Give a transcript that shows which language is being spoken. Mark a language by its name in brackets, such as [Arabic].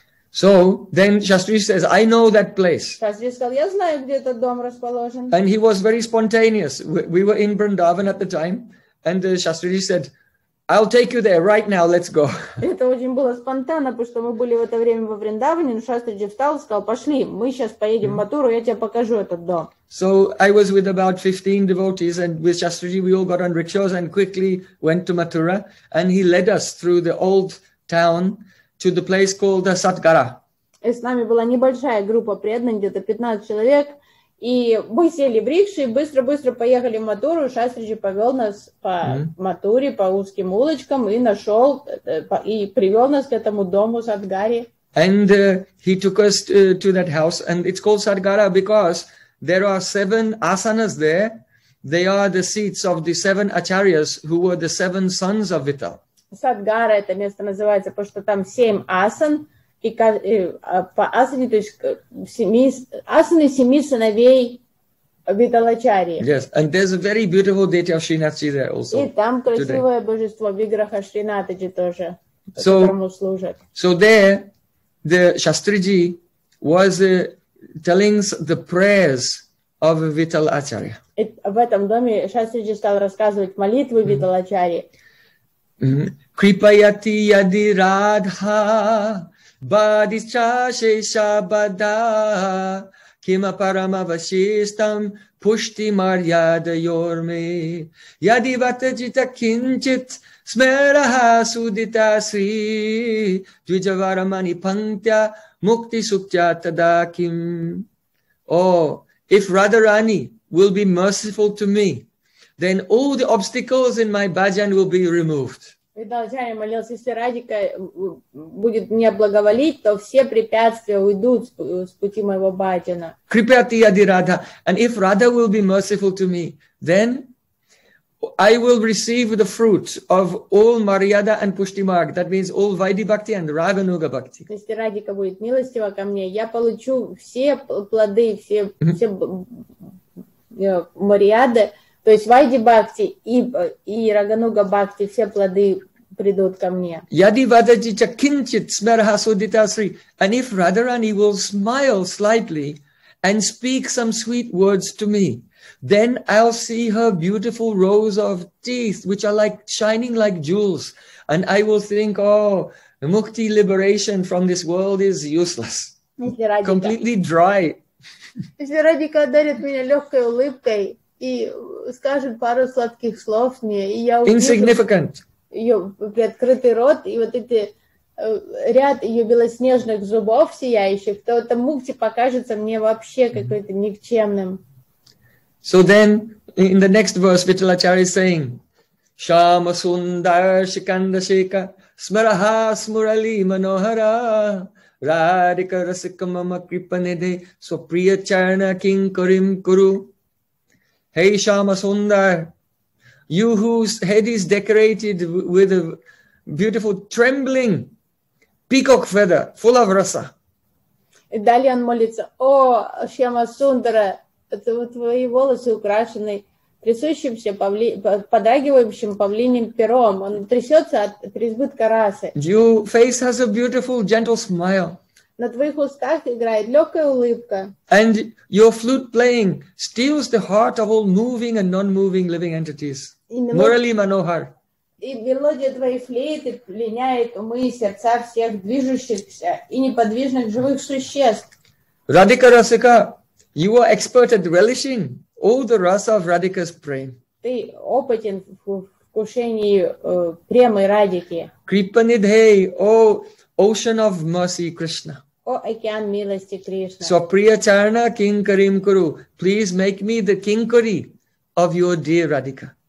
[English] So then Shastri says, I know that place. [Russian] Shastri сказал, я знаю, где этот дом расположен. [English] And he was very spontaneous. We were in Vrindavan at the time, and Shastri said, I'll take you there right now. Let's go. [Russian] Это очень было спонтанно, потому что мы были в это время во Вриндаване, но Шастриджи встал и сказал, пошли, мы сейчас поедем в Матуру, я тебе покажу этот дом. [English] So I was with about 15 devotees, and with Shastriji, we all got on rickshaws and quickly went to Mathura, and he led us through the old town to the place called the Satgara. [Russian] И с нами была небольшая группа преданных, где-то 15 человек, и мы сели в рикши и быстро-быстро поехали в Матуру. Шастриджи повел нас по Матуре, по узким улочкам и нашел, и привел нас к этому дому Садгаре. [English] And he took us to that house, and it's called Sadgara because there are 7 asanas there. They are the seats of the 7 acharyas who were the 7 sons of Vital. [Russian] Садгара это место называется, потому что там 7 асан. И по асане, то есть асаны семи сыновей Виталачарьи. [English] Yes, and there's a very beautiful deity of Шринатхи there also. [Russian] И там красивое [English] today. [Russian] Божество Виграха Шринатхи тоже, [English] so, [Russian] которому служат. [English] So there, the Shastriji was telling the prayers of Виталачарья. [Russian] В этом доме Шастриджи стал рассказывать молитвы Виталачарьи. [Sanskrit] Крипаяти яди радха Badischa shesha bada kima parama vashistam pushti maryada yorme yadi vata jita kinchit smeraha sudita sri dvijavaramani pantya mukti sukhya tadakim. [English] Oh, if Radharani will be merciful to me, then all the obstacles in my bhajan will be removed. [Russian] Виталачарья молился, если Радика будет мне благоволить, то все препятствия уйдут с пути моего бхаджана. [Sanskrit] Крипяти яди Радха. [English] And if Radha will be merciful to me, then I will receive the fruit of all Maryada and Pushtimarg. That means all Vaidhi Bhakti and Raganuga Bhakti. [Russian] Если Радика будет милостива ко мне, я получу все плоды, все, все Марьяды, то есть Вайди Бхакти и Рагануга Бхакти, все плоды придут ко мне. [Sanskrit] Яди вадати ча кинчит смераха судита сри. [English] And if Радхарани will smile slightly and speak some sweet words to me, then I'll see her beautiful rows of teeth, which are like shining like jewels. And I will think, oh, mukti liberation from this world is useless. Completely dry. [Russian] Если Радхика дарит меня легкой улыбкой, и скажет пару сладких слов мне, и я увижу ее приоткрытый рот, и вот эти ряд ее белоснежных зубов сияющих, то эта мукти покажется мне вообще какой-то никчемным. [English] So then, in the next verse, Vitalacharya is saying, [Sanskrit] Shama Sundar Shikanda Shika Smaraha Smurali Manohara Radhika Rasika Mama Kripanide Supriya Charna King Karim Kuru. [English] Hey Shama Sundar, you whose head is decorated with a beautiful trembling peacock feather full of rasa. [Russian] И далее он молится, о, Шама Сундара, твои волосы украшены трясущимся, подрагивающим павлиним пером. Он трясется от преизбытка расы. [English] Your face has a beautiful gentle smile. [Russian] На твоих устах играет легкая улыбка. [English] And your flute playing steals the heart of all moving and non-moving living entities. Murali Manohar. [Russian] И мелодия твоей флейты пленяет умы и сердца всех движущихся и неподвижных живых существ. [English] Radhika Rasika, you are expert at relishing all the rasa of Radhika's prem. [Russian] Ты опытен в вкушении премы Радики. [English] Kripanidhei, O ocean of mercy, Krishna. [Russian] О океан милости Кришна. [English] So Priyacharna Kinkarim Kuru, please make me the kinkari of your dear Radhika.